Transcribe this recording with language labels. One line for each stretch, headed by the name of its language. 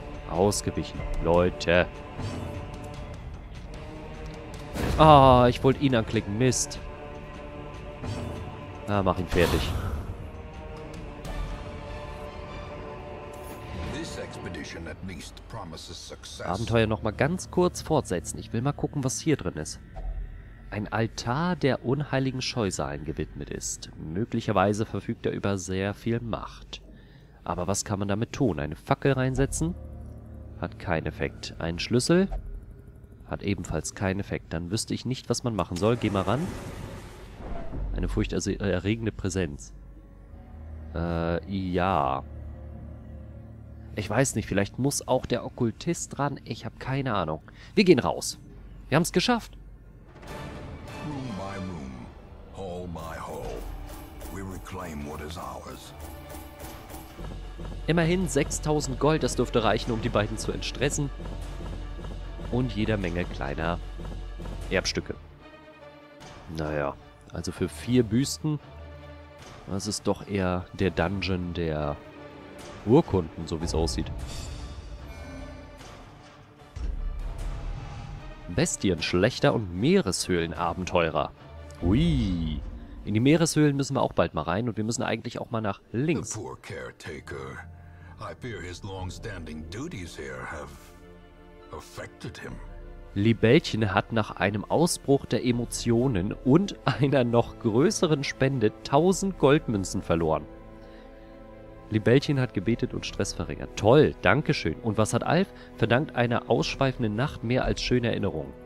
German: Ausgewichen, Leute. Ah, ich wollte ihn anklicken, Mist. Ah, mach ihn fertig.
English: expedition at least promises success.
German: Abenteuer noch mal ganz kurz fortsetzen. Ich will mal gucken, was hier drin ist. Ein Altar, der unheiligen Scheusalen gewidmet ist. Möglicherweise verfügt er über sehr viel Macht. Aber was kann man damit tun? Eine Fackel reinsetzen? Hat keinen Effekt. Ein Schlüssel? Hat ebenfalls keinen Effekt. Dann wüsste ich nicht, was man machen soll. Geh mal ran. Eine furchterregende Präsenz. Ja. Ich weiß nicht, vielleicht muss auch der Okkultist dran. Ich habe keine Ahnung. Wir gehen raus. Wir haben es geschafft.
English: Room by room, hall by hall, we reclaim what is ours.
German: Immerhin 6000 Gold, das dürfte reichen, um die beiden zu entstressen. Und jede Menge kleiner Erbstücke. Naja, also für 4 Büsten, das ist doch eher der Dungeon der Urkunden, so wie es aussieht. Bestien, Schlechter und Meereshöhlenabenteurer. Hui. In die Meereshöhlen müssen wir auch bald mal rein und wir müssen eigentlich auch mal nach links.
English: The poor caretaker. I fear his long-standing duties here have affected him.
German: Libellchen hat nach einem Ausbruch der Emotionen und einer noch größeren Spende 1000 Goldmünzen verloren. Libellchen hat gebetet und Stress verringert. Toll, dankeschön. Und was hat Alf? Verdankt einer ausschweifenden Nacht mehr als schöne Erinnerungen.